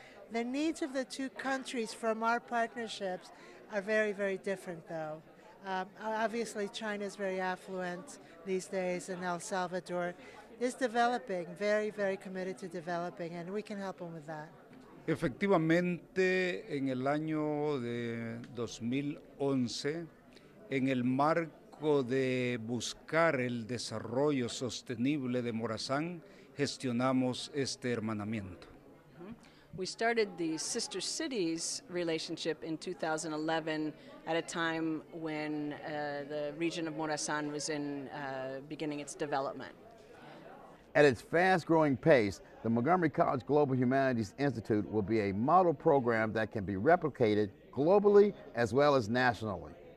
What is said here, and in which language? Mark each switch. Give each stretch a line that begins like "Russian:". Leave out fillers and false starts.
English: The needs of the two countries from our partnerships are very, very different, though. Obviously, China is very affluent these days, and El Salvador is developing, very, very committed to developing, and we can help them with that.
Spanish: Efectivamente, en el año de 2011, en el marco de buscar el desarrollo sostenible de Morazán, gestionamos este hermanamiento.
English: We started the sister cities relationship in 2011 at a time when the region of Morazán was in beginning its development. At its fast-growing pace, the Montgomery College Global Humanities Institute will be a model program that can be replicated globally as well as nationally.